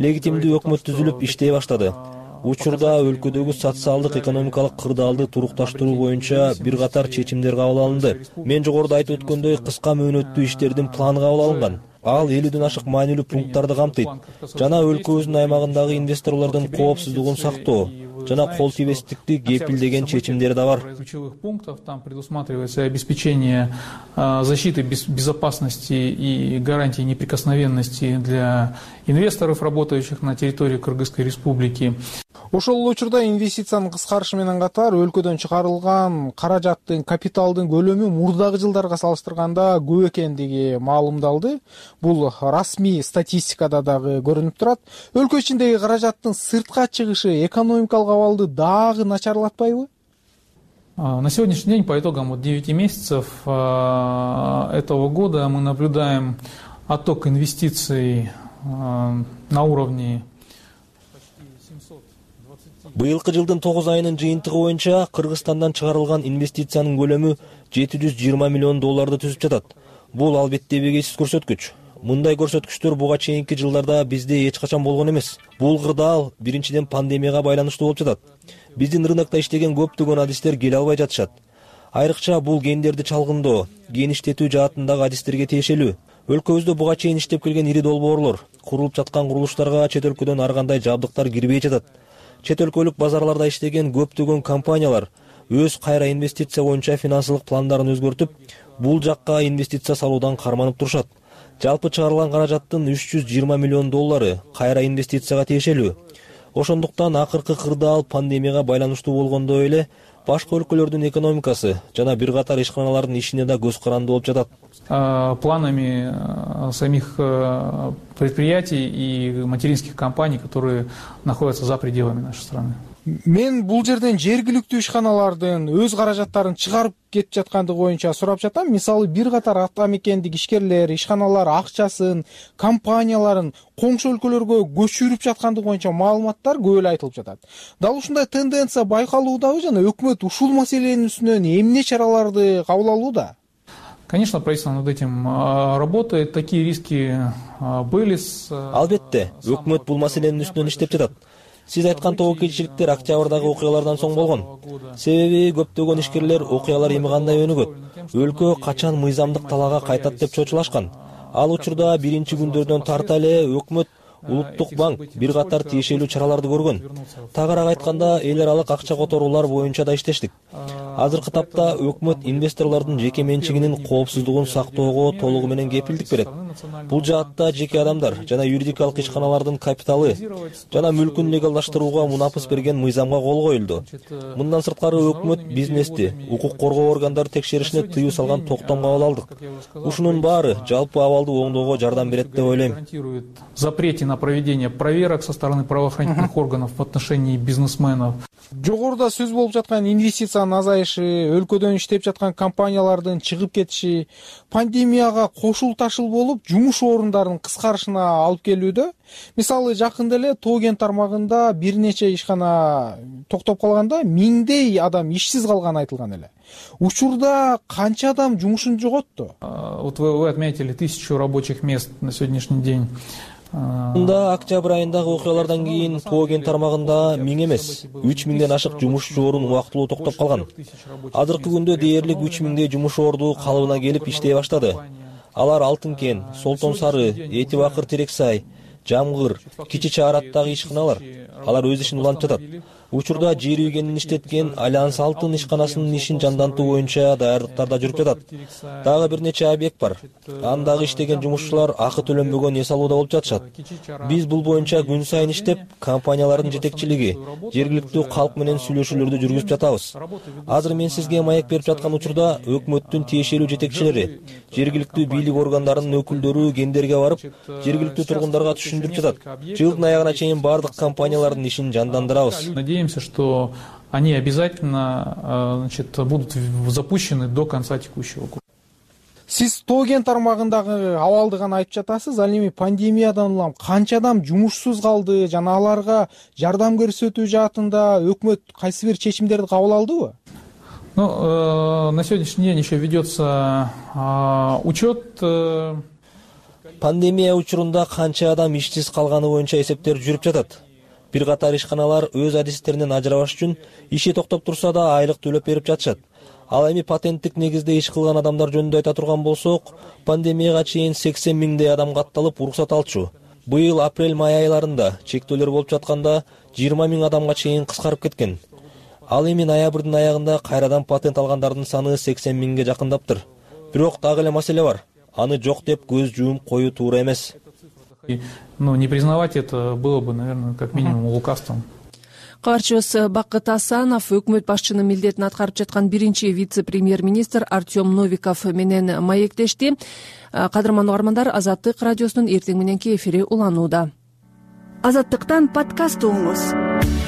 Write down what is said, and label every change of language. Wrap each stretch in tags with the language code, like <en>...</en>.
<ky>Легитимдүү өкмөт түзүлүп иштей баштады. Учурда өлкөдөгү социалдык экономикалык кырдаалды турукташтыруу боюнча бир катар чечимдер кабыл алынды. Мен жогоруда айтып өткөндөй, кыска мөөнөттүү иштердин планы кабыл алынган. Ал 50 ашык маанилүү пункттарды камтыйт жана өлкөбүздүн аймагындагы инвесторлордун коопсуздугун сактоо жана кол тийбестикти кепилдеген чечимдери да бар.</ky> <ru>Ключевых пунктов там предусматривается обеспечение защиты безопасности и гарантии неприкосновенности для инвесторов, работающих на территории Кыргызской Республики.</ru> <ky>Ошол эле учурда инвестициянын кыскарышы менен катар өлкөдөн чыгарылган каражаттын, капиталдын көлөмү мурдагы жылдарга салыштырганда көп экендиги маалымдалды. Бул расмий статистикада дагы көрүнүп турат. Өлкө ичиндеги каражаттын сыртка чыгышы экономикалык абалды дагы начарлатпайбы?</ky> <ru>На сегодняшний день, по итогам 9 месяцев этого года, мы наблюдаем отток инвестиций на уровне</ru> <ky>Быйылкы жылдын 9 айынын жыйынтыгы боюнча Кыргызстандан чыгарылган инвестициянын көлөмү 720 миллион долларды түзүп жатат. Бул албетте эбегейсиз көрсөткүч. Мындай көрсөткүчтөр буга чейинки жылдарда бизде эч качан болгон эмес. Бул кырдаал биринчиден пандемияга байланыштуу болуп жатат. Биздин рынокто иштеген көптөгөн адистер келе албай жатышат. Айрыкча бул гендерди чалгындоо, кеңиштетүү жаатындагы адистерге тиешелүү. Өлкөбүздө буга чейин иштеп келген ири долбоорлор, курулуп жаткан курулуштарга чет өлкөдөн ар кандай жабдыктар кирбей жатат. Чет өлкөлүк базарларда иштеген көптөгөн компаниялар өз кайра инвестиция боюнча финансылык пландарын өзгөртүп, бул жакка инвестиция салуудан карманып турушат. Жалпы чыгарылган каражаттын 320 миллион доллары кайра инвестицияга тиешелүү. Ошондуктан акыркы кырдаал пандемияга байланыштуу болгондой эле башка өлкөлөрдүн экономикасы жана бир катар ишканалардын ишине да көз каранды болуп жатат.</ky> <ru>Планами самих предприятий и материнских компаний, которые находятся за пределами нашей страны.</ru> <ky>Мен бул жерден жергиликтүү ишканалардын өз каражаттарын чыгарып кетип жаткандыгы боюнча сурап жатам. Мисалы, бир катар ата мекендик ишкерлер, ишканалар акчасын, компанияларын коңшу өлкөлөргө көчүрүп жаткандыгы боюнча маалыматтар көп эле айтылып жатат. Дал ушундай тенденция байкалуудабы жана өкмөт ушул маселенин үстүнөн эмне чараларды кабыл алууда?</ky> <ru>Конечно, правительство над этим работает, такие риски были с...</ru> <ky>Албетте, өкмөт бул маселенин үстүнөн иштеп жатат. Сиз айткан тобокелчиликтер октябрдагы окуялардан соң болгон. Себеби көптөгөн ишкерлер окуялар эми кандай өнүгөт, өлкө качан мыйзамдык талаага кайтат деп чочулашкан. Ал учурда биринчи күндөрдөн тарта эле өкмөт, улуттук банк бир катар тиешелүү чараларды көргөн. Тагыраак айтканда, эл аралык акча которуулар боюнча да иштештик. Азыркы тапта өкмөт инвесторлордун жеке менчигинин коопсуздугун сактоого толугу менен кепилдик берет. Бул жаатта жеке адамдар жана юридикалык ишканалардын капиталы жана мүлкүн легалдаштырууга мунапыс берген мыйзамга кол коюлду. Мындан сырткары өкмөт бизнести укук коргоо органдары текшеришине тыюу салган токтомго кол алдык. Ушунун баары жалпы абалды оңдоого жардам берет деп ойлойм.</ky> <ru>Запрети на проведение проверок со стороны правоохранительных органов в отношении бизнесменов.</ru> <ky>Жогоруда сөз болуп жаткан инвестициянын азайышы, өлкөдөн иштеп жаткан компаниялардын чыгып кетиши, пандемияга кошул ташыл болуп, жумуш орундарынын кыскарышына алып келүүдө. Мисалы, жакында эле Тоогент тармагында бир нече ишкана токтоп калганда, миңдей адам ишсиз калганы айтылган эле. Учурда канча адам жумушун жоготту?</ky> <ru>Вот вы отметили 1000 рабочих мест на сегодняшний день.</ru> <ky>Мында октябрь айындагы окуялардан кийин Тоогент тармагында миң эмес, 3000 ашык жумуш орун убактылуу токтоп калган. Азыркы күндө дээрлик 3000 жумуш орду калыбына келип иштей баштады. Алар Алтынкен, Солтон Сары, Эти Бакыр Терек Сай, Жамгыр, Кичи Чаараттагы ишканалар. Алар өз ишин улантып жатат. Учурда жер үйгенин иштеткен Альянс Алтын ишканасынын ишин жандантуу боюнча даярдыктарда жүрүп жатат. Дагы бир нече объект бар. Андагы иштеген жумушчулар акы төлөнбөгөн эс алууда болуп жатышат. Биз бул боюнча күн сайын иштеп, компаниялардын жетекчилиги, жергиликтүү калк менен сүйлөшүүлөрдү жүргүзүп жатабыз. Азыр мен сизге маек берип жаткан учурда өкмөттүн тиешелүү жетекчилери, жергиликтүү бийлик органдарынын өкүлдөрү кендерге барып, жергиликтүү тургундарга түшүндүрүп жатат. Жылдын аягына чейин баардык компаниялардын ишин жандандырабыз.</ky> <ru>Надеемся, что они обязательно, значит, будут запущены до конца текущего года.</ru> <ky>Сиз Тоогент тармагындагы абалды гана айтып жатасыз, ал эми пандемиядан улам канча адам жумушсуз калды жана аларга жардам көрсөтүү жаатында өкмөт кайсы бир чечимдерди кабыл алдыбы?</ky> <ru>Ну, на сегодняшний день еще ведется учет.</ru> <ky>Пандемия учурунда канча адам ишсиз калганы боюнча эсептер жүрүп жатат. Бир катар ишканалар өз адистеринен ажырабаш үчүн иши токтоп турса да айлык төлөп берип жатышат. Ал эми патенттик негизде иш кылган адамдар жөнүндө айта турган болсок, пандемияга чейин 80000 адам катталып уруксат алчу. Быйыл апрель май айларында чектөөлөр болуп жатканда 20000 адамга чейин кыскарып кеткен. Ал эми ноябрдын аягында кайрадан патент алгандардын саны 80000 жакындаптыр. Бирок дагы эле маселе бар. Аны жок деп көз жумуп коюу туура эмес.</ky> <ru>Но не признавать это было бы, наверное, как минимум лукавством.</ru> <ky>Кабарчыбыз Бакыт Асанов өкмөт башчынын милдетин аткарып жаткан биринчи вице-премьер-министр Артем Новиков менен маектешти. Кадырман угармандар, Азаттык радиосунун эртең мененки эфири уланууда. Азаттыктан подкаст угуңуз.</ky>